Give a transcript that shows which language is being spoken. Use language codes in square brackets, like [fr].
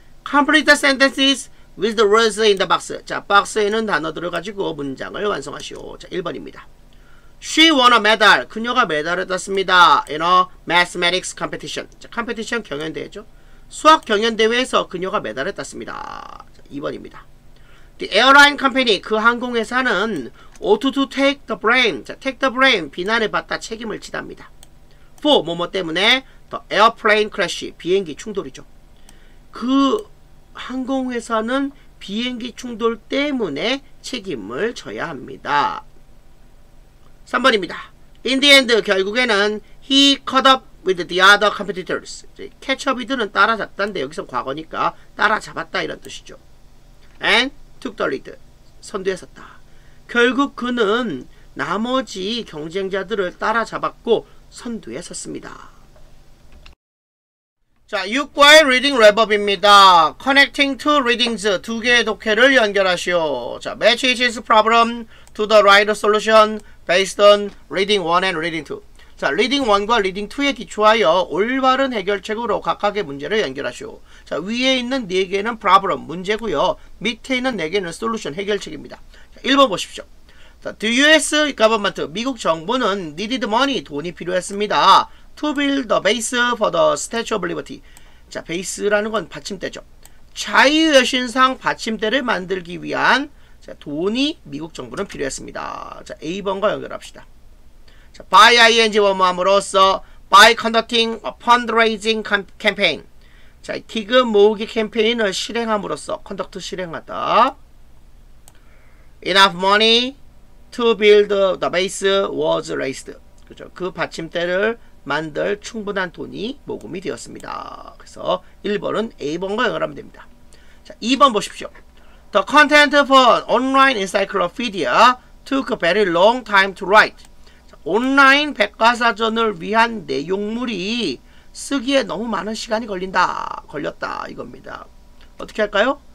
[en] Complete the sentences with the words in the box. [ko] 자, 박스에 있는 단어들을 가지고 문장을 완성하시오. 자, 1번입니다. [en] She won a medal. [ko] 그녀가 메달을 땄습니다. [en] In a mathematics competition. 자, competition 경연대회죠. [ko] 수학 경연대회에서 그녀가 메달을 땄습니다. [en] 자, 2번입니다. The airline company, [ko] 그 항공회사는 [en] ought to take the blame. 자, take the blame. [ko] 비난을 받다, 책임을 지답니다. For, 뭐뭐 때문에 [en] the airplane crash, [ko] 비행기 충돌이죠. 그 항공회사는 비행기 충돌 때문에 책임을 져야 합니다. 3번입니다. [en] In the end, [ko] 결국에는 [en] he caught up with the other competitors. [ko] catch up이들은 따라잡다인데 여기서 과거니까 따라잡았다 이런 뜻이죠. [en] And took the lead. [ko] 선두에 섰다. 결국 그는 나머지 경쟁자들을 따라잡았고 선두에 섰습니다. 자, 6과의 reading wrap-up입니다. [en] Connecting two readings, [ko] 두 개의 독해를 연결하시오. 자, [en] match each's problem to the right solution based on reading 1 and reading 2. [ko] 자, reading 1과 reading 2에 기초하여 올바른 해결책으로 각각의 문제를 연결하시오. 자, 위에 있는 4개는 problem, 문제고요. 밑에 있는 4개는 solution, 해결책입니다. 자, 1번 보십시오. 자, [en] the US government, [ko] 미국 정부는 [en] needed money, [ko] 돈이 필요했습니다. [en] To build the base for the Statue of Liberty. [ko] 자, 베이스라는 건 받침대죠. 자유여신상 받침대를 만들기 위한 자, 돈이 미국 정부는 필요했습니다. 자, A번과 연결합시다. 자, by ING 원모함으로써 [en] by conducting a fundraising campaign. [ko] 자, 기금 모으기 캠페인을 실행함으로써 conduct 실행하다. [en] Enough money to build the base was raised. [ko] 그죠? 그 받침대를 만들 충분한 돈이 모금이 되었습니다. 그래서 1번은 A번과 연결하면 됩니다. [en] 자, 2번 보십시오. The content for an online encyclopedia took a very long time to write. [ko] 자, 온라인 백과사전을 위한 내용물이 쓰기에 너무 많은 시간이 걸렸다 이겁니다. 어떻게 할까요?